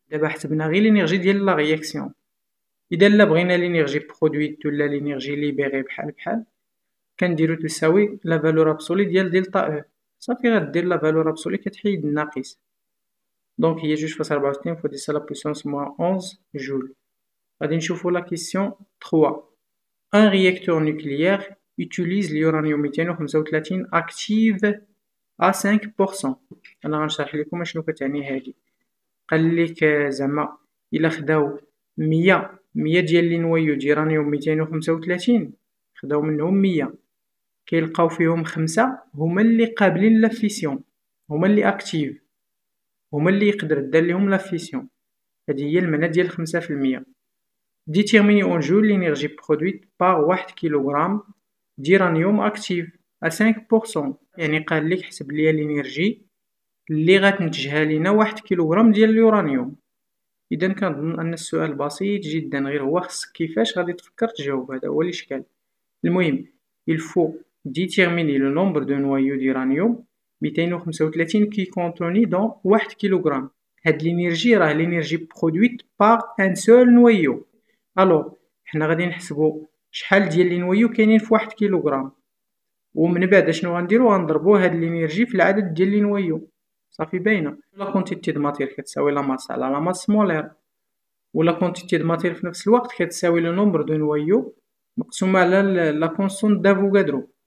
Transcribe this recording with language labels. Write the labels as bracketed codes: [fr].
[ar] دابا حسبنا غير لينيرجي ديال لا رياكسيون. اذا لا بغينا لينيرجي برودويت ولا لينيرجي ليبيري بحال بحال، كنديرو تساوي لا فالور ابسولي ديال دلتا او. صافي غدير لا فالور ابسولي كتحيد الناقص، دونك هي 2.64 فوا 10 لا بويسونس موان 11 جول. غادي نشوفو لا كيسيون 3. [fr] Un réacteur nucléaire utilise l'uranium 235 actif à 5%. [ar] انا غنشرح لكم شنو كتعني هادي. قال لك زعما الا خداو 100 ديال النويو ديال اليورانيوم 235، خداو منهم 100، كيلقاو فيهم 5 هما اللي قابلين لافيسيون، هما اللي اكتيف، هما اللي يقدر دار لهم لافيسيون. هذه هي المعنى ديال 5%. [fr] Déterminer en joule l'énergie produite par 1 kg d'uranium actif à 5%. [ar] يعني قال لك حسب لي الانرجي اللي غتنتجها لنا 1 كيلوغرام ديال اليورانيوم. اذا كنظن ان السؤال بسيط جدا، غير هو خصك كيفاش غادي تفكر تجاوب، هذا هو الاشكال. المهم [fr] il faut déterminer le nombre de noyaux d'uranium 235 qui contenu dans 1 kg. [ar] هاد الانرجي راه الانرجي برودويت باغ ان سول نويو. الو حنا غادي نحسبو شحال ديال لي نويو كاينين في 1 كيلوغرام، ومن بعد شنو غنديرو؟ غنضربو هاد الانرجي في العدد ديال لي نويو. صافي باينه. لا كونتيتي دو ماتير كتساوي لا ماس على لا ماس مولير، ولا كونتيتي دو ماتير في نفس الوقت كتساوي لو نومبر دو نويو مقسومه على لا كونسون دافوغادرو.